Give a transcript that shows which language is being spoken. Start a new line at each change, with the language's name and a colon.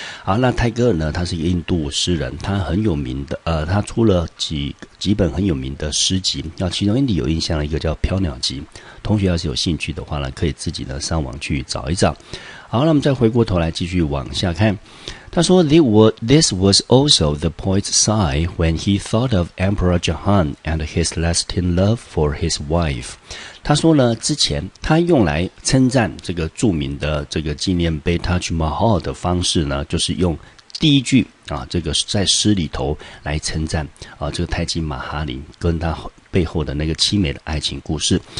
Chinese: 好，那泰戈尔呢，他是一个印度诗人，他很有名的，他出了几本很有名的诗集。那其中你有印象的一个叫飘鸟集，同学要是有兴趣的话呢，可以自己呢上网去找一找。好，那我们再回过头来继续往下看。他说
English: This was also the poet's sigh when he thought of Emperor Jahan and his lasting love for his wife.
Chinese: 他说呢，之前他用来称赞这个著名的这个纪念碑 Taj Mahal 的方式呢，就是用第一句啊，这个在诗里头来称赞啊，这个泰姬玛哈林跟他背后的那个凄美的爱情故事。